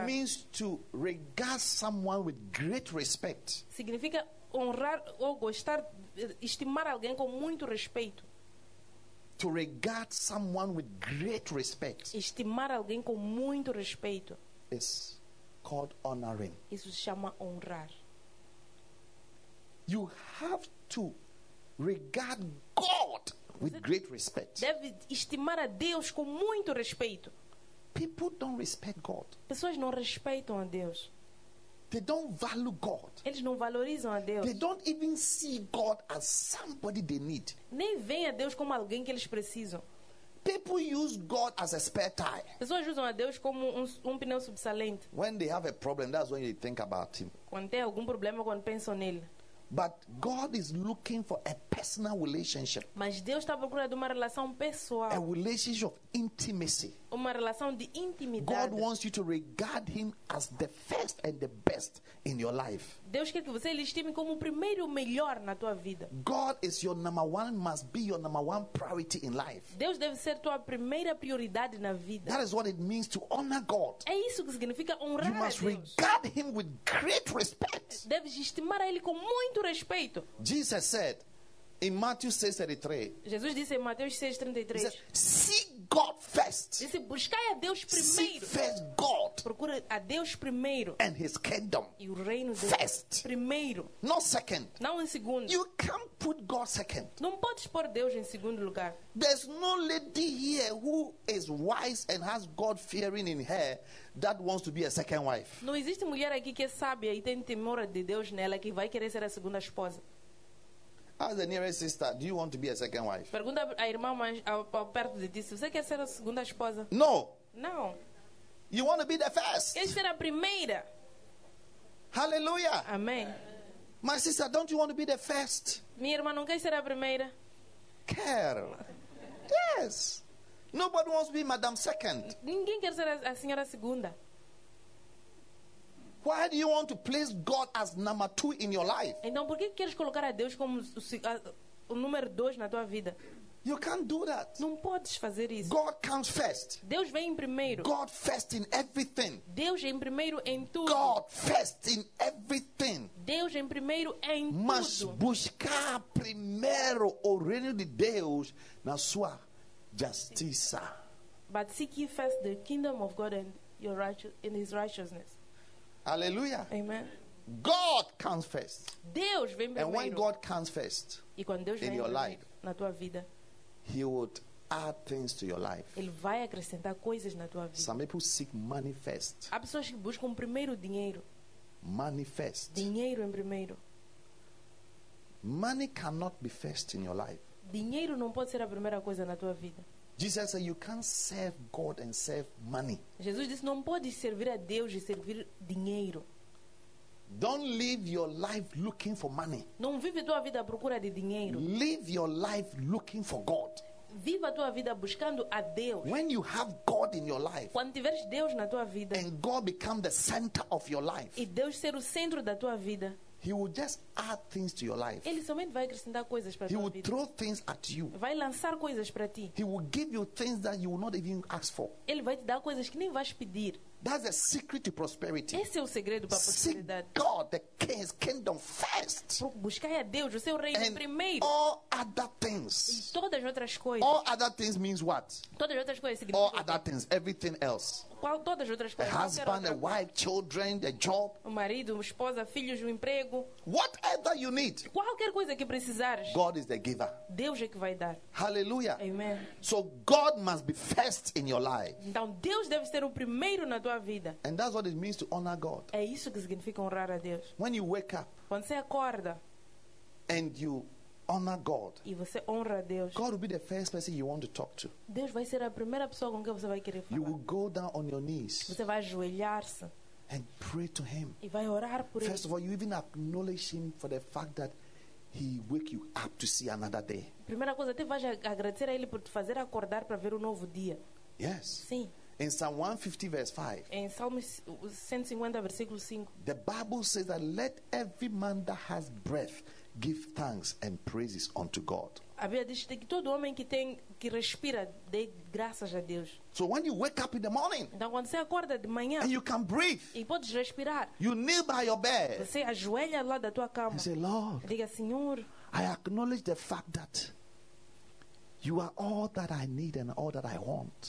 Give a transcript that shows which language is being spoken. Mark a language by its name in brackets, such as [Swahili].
[English] It means to regard someone with great respect. [Portuguese] Significa honrar ou gostar, estimar alguém com muito respeito. [English] To regard someone with great respect. [Portuguese] Estimar alguém com muito respeito. [English] It's called honoring. [Portuguese] Isso se chama honrar. [English] You have to regard God with great respect. [Portuguese] Deve estimar a Deus com muito respeito. [English] People don't respect God. [Portuguese] Pessoas não respeitam a Deus. [English] They don't value God. [Portuguese] Eles não valorizam a Deus. [English] They don't even see God as somebody they need. [Portuguese] Nem veem a Deus como alguém que eles precisam. [English] People use God as a spare tire. [Portuguese] Pessoas usam a Deus como um pneu subsalente. [English] When they have a problem, that's when they think about him. [Portuguese] Quando tem algum problema, quando pensam nele. [English] But God is looking for a personal relationship. [Portuguese] Mas Deus está procurando uma relação pessoal. [English] A relationship of intimacy. [Portuguese] Uma relação de intimidade. [English] God wants you to regard him as the first and the best in your life. [Portuguese] Deus quer que você lhe estime como o primeiro e o melhor na tua vida. [English] God is your number one, must be your number one priority in life. [Portuguese] Deus deve ser tua primeira prioridade na vida. [English] That is what it means to honor God. [Portuguese] É isso que significa honrar a Deus. [English] You must regard him with great respect. [Portuguese] Deves estimar a ele com muito respeito. [English] Jesus said in Matthew 6:33. [Portuguese] Jesus disse em Mateus 6:33. [English] Seek God first. [Portuguese] Disse, buscai a Deus primeiro. [English] Seek first God. [Portuguese] Procure a Deus primeiro. [English] And His kingdom. [Portuguese] E o reino dele. [English] First. [Portuguese] Primeiro. [English] Not second. [Portuguese] Não em segundo. [English] You can't put God second. [Portuguese] Não podes pôr Deus em segundo lugar. [English] There's no lady here who is wise and has God fearing in her that wants to be a second wife. [Portuguese] Não existe mulher aqui que é sábia e tem temor de Deus nela que vai querer ser a segunda esposa. [English] Ask the nearest sister, do you want to be a second wife? [Portuguese] Pergunta à irmã mais perto de ti, se você quer ser a segunda esposa. [English] No. [Portuguese] Não. [English] You want to be the first. [Portuguese] Quer ser a primeira. [English] Hallelujah. [Portuguese] Amém. [English] My sister, don't you want to be the first? [Portuguese] Minha irmã não quer ser a primeira. Quer. [English] Yes. Nobody wants to be Madam Second. [Portuguese] Ninguém quer ser a senhora segunda. [English] Why do you want to place God as number two in your life? [Portuguese] Então, por que queres colocar a Deus como o número dois na tua vida? [English] You can't do that. [Portuguese] Não podes fazer isso. [English] God comes first. [Portuguese] Deus vem em primeiro. [English] God first in everything. [Portuguese] Deus em primeiro em tudo. [English] God first in everything. [Portuguese] Deus em primeiro em tudo. Mas buscar primeiro o reino de Deus na sua justiça. [English] But seek ye first the kingdom of God and your in His righteousness. Hallelujah. Amen. God comes first. [Portuguese] Deus vem primeiro. [English] And when God comes first [Portuguese] e quando Deus [English] in [Portuguese] vem [English] your [Portuguese] primeiro, [English] life, [Portuguese] na tua vida, [English] He would add things to your life. [Portuguese] Ele vai acrescentar coisas na tua vida. [English] Some people seek money first. [Portuguese] Há pessoas que buscam primeiro dinheiro. [English] Money first. [Portuguese] Dinheiro em primeiro. [English] Money cannot be first in your life. [Portuguese] Dinheiro não pode ser a primeira coisa na tua vida. [English] Jesus said you can't serve God and serve money. [Portuguese] Jesus disse não pode servir a Deus e servir dinheiro. [English] Don't live your life looking for money. [Portuguese] Não vive tua vida à procura de dinheiro. [English] Live your life looking for God. [Portuguese] Viva tua vida buscando a Deus. [English] When you have God in your life, [Portuguese] quando tiveres Deus na tua vida, [English] and God become the center of your life, [Portuguese] e Deus ser o centro da tua vida, [English] He will just add things to your life. [Portuguese] Ele somente vai acrescentar coisas para a tua [English] will [Portuguese] vida. [English] Throw things at you. [Portuguese] Vai lançar coisas para ti. [English] He will give you things that you will not even ask for. [Portuguese] Ele vai te dar coisas que nem vais pedir. [English] That's the secret to prosperity. [Portuguese] Esse é o segredo para a prosperidade. [English] Seek God, the King's kingdom first. [Portuguese] Buscai a Deus, o seu reino [English] and [Portuguese] primeiro. [English] All other things. [Portuguese] E todas as outras coisas. [English] All other things means what? [Portuguese] Todas as outras coisas significa. [English] All other things, everything else. [Portuguese] Qual todas as outras coisas? [English] A husband, a wife, children, a job. [Portuguese] O marido, a esposa, filhos, o emprego. [English] Whatever you need. [Portuguese] Qualquer coisa que precisares. [English] God is the giver. [Portuguese] Deus é que vai dar. [English] Hallelujah. Amen. So God must be first in your life. [Portuguese] Então Deus deve ser o primeiro na tua vida. [English] And that's what it means to honor God. [Portuguese] É isso que significa honrar a Deus. [English] When you wake up. [Portuguese] Quando você acorda. [English] And you honor God. [Portuguese] E você honra Deus. [English] God will be the first person you want to talk to. [Portuguese] Deus vai ser a primeira pessoa com quem você vai querer falar. [English] You will go down on your knees. [Portuguese] Você vai ajoelhar-se. [English] And pray to Him. [Portuguese] E vai orar por [English] first [Portuguese] ele. [English] Of all, you even acknowledge Him for the fact that He wake you up to see another day. [Portuguese] Primeira coisa, até vai agradecer a Ele por te fazer acordar para ver um novo dia. [English] Yes. [Portuguese] Sim. [English] In Psalm 150 verse 5. [Portuguese] Em Salmo 150 versículo 5. [English] The Bible says that let every man that has breath give thanks and praises unto God. [Portuguese] A Bíblia diz que todo homem que tem que respira dê graças a Deus. [English] So when you wake up in the morning. [Portuguese] Então quando você acorda de manhã. [English] And you can breathe. [Portuguese] E podes respirar. [English] You kneel by your bed. [Portuguese] Você ajoelha lá da tua cama. [English] And say, Lord. [Portuguese] Diga Senhor. [English] I acknowledge the fact that You are all that I need and all that I want.